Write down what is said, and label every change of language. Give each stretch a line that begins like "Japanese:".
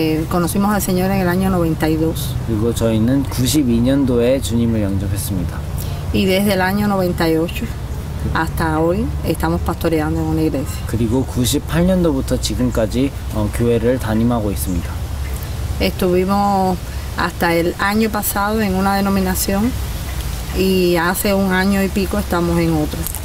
Spanish: Conocimos al Señor en el año 92.
Korean: 그리고 저희는 92년도에 주님을 영접했습니다.
Spanish: Y desde el año 98 hasta hoy estamos pastoreando en una iglesia.
Korean: 그리고 98년도부터 지금까지 교회를 담임하고 있습니다.
Spanish: Estuvimos hasta el año pasado en una denominación y hace un año y pico estamos en otra.